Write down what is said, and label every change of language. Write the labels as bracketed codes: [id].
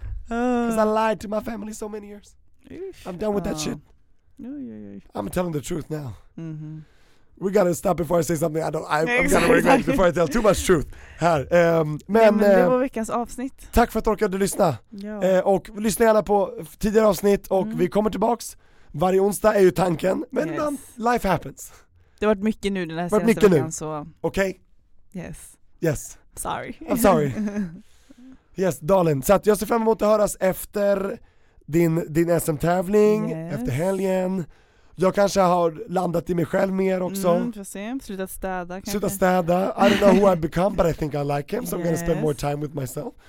[en] Because I lied to my family so many years. Oof. I'm done with that shit. Oof. I'm telling the truth now. Mm-hmm. We gotta stop before I say something I don't. I'm gonna regret before I tell too much truth [sv] här. Men det var veckans avsnitt. Tack för att du orkade lyssna. Och lyssna gärna på tidigare avsnitt. Och vi kommer tillbaks. Varje onsdag är ju tanken. Men [en] life happens. [sv] Det har varit mycket nu den här senaste veckan. Okej. [en] Yes. Yes. Sorry. I'm sorry. Yes, darling. [sv] Så att jag ser fram emot att höras efter din SM-tävling, [en] yes. [sv] Efter helgen. Jag kanske har landat i mig själv mer också. Mm, får se. Slutat städa kanske. Slutat städa. [en] I don't know who I've become, but I think I like him. So yes. I'm gonna spend more time with myself.